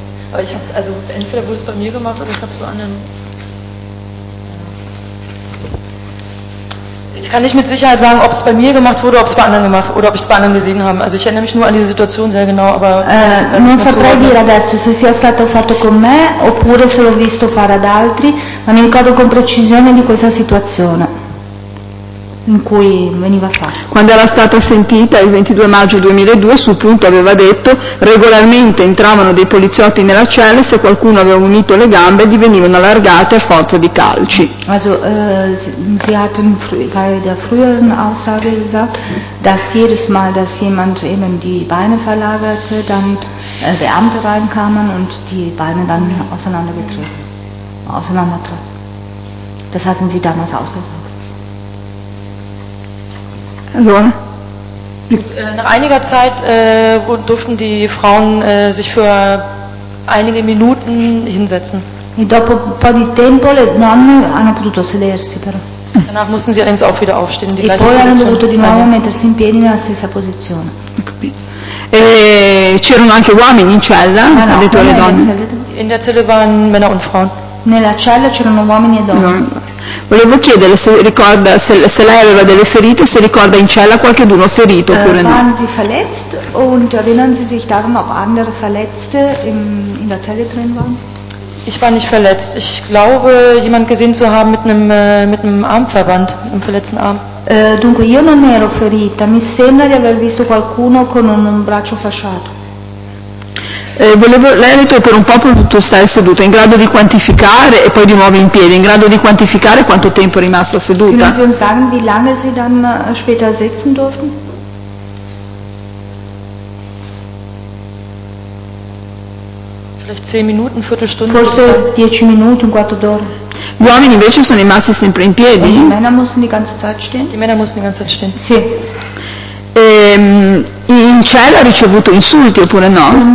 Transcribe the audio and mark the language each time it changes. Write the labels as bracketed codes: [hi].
[de] Aber ich habe, also entweder wurde es bei mir gemacht oder ich habe so anderen. Ich kann nicht mit Sicherheit sagen, ob es bei mir gemacht wurde, ob es bei anderen gemacht oder ob ich es bei anderen gesehen habe. Also ich erinnere mich nur an diese Situation sehr genau, aber [it] non saprei dire adesso se sia stato fatto con me oppure se l'ho visto fare ad altri, ma mi ricordo con precisione di questa situazione in cui veniva fatto. Quando era stata sentita il 22 maggio 2002, sul punto aveva detto: regolarmente entravano dei poliziotti nella cella e se qualcuno aveva unito le gambe gli venivano allargate a forza di calci. [de] Also sie hatten bei der früheren Aussage gesagt, dass jedes Mal, dass jemand eben die Beine verlagerte, dann Beamte reinkamen und die Beine dann auseinandertreten. Das hatten sie damals ausgesagt. [it] Allora. [de] Nach einiger Zeit durften die Frauen sich für einige Minuten hinsetzen. [it] E dopo un po' di tempo le donne hanno potuto sedersi però. [de] Danach mussten sie allerdings auch wieder aufstehen. [it] E poi hanno dovuto di nuovo mettersi in piedi nella stessa posizione. E c'erano anche uomini in cella, ha detto le donne. [de] In der Zelle waren Männer und Frauen. [it] Nella cella c'erano uomini e donne. Volevo chiedere se ricorda se lei aveva delle ferite, se ricorda in cella qualcuno ferito oppure no. [de] Waren Sie verletzt und erinnern Sie sich daran, ob andere Verletzte in der Zelle drin waren? Ich war nicht verletzt. Ich glaube, jemand gesehen zu haben mit einem Armverband, einem verletzten Arm. [it] Dunque io non ero ferita, mi sembra di aver visto qualcuno con un braccio fasciato. Lei ha detto per un po' potuto stare seduta, in grado di quantificare e poi di nuovo in piedi, in grado di quantificare quanto tempo è rimasta seduta. [de] Können Sie uns sagen, wie lange Sie dann später sitzen durften? Vielleicht 10 Minuten, eine Viertelstunde. [it] Forse 10 minuti, un quarto d'ora. Gli uomini invece sono rimasti sempre in piedi. [de] Und die Männer mussten die ganze Zeit stehen. Die Männer mussten die ganze Zeit stehen. [it] Sì. In cella ha ricevuto insulti oppure no?